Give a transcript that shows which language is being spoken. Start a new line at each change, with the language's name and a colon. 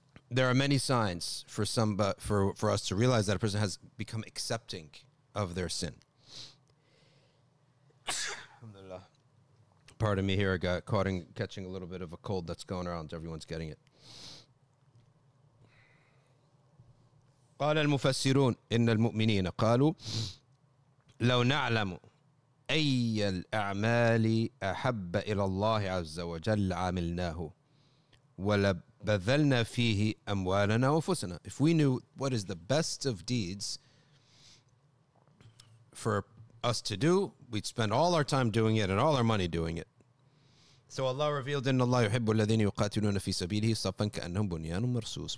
English: there are many signs for some, but for us to realize that a person has become accepting of their sin. Alhamdulillah. Pardon me here, I got caught in catching a little bit of a cold that's going around. Everyone's getting it.
Arabic: قال المفسرون إن المؤمنين قالوا لو نعلم أي الأعمال أحب إلى الله عز وجل عملناه ولبذلنا فيه أموالنا وفسنا.
English: If we knew what is the best of deeds for us to do, we'd spend all our time doing it and all our money doing it. So Allah revealed
Arabic: إن الله يحب الذين يقاتلون في سبيله صفا كأنهم بنيان مرصوص.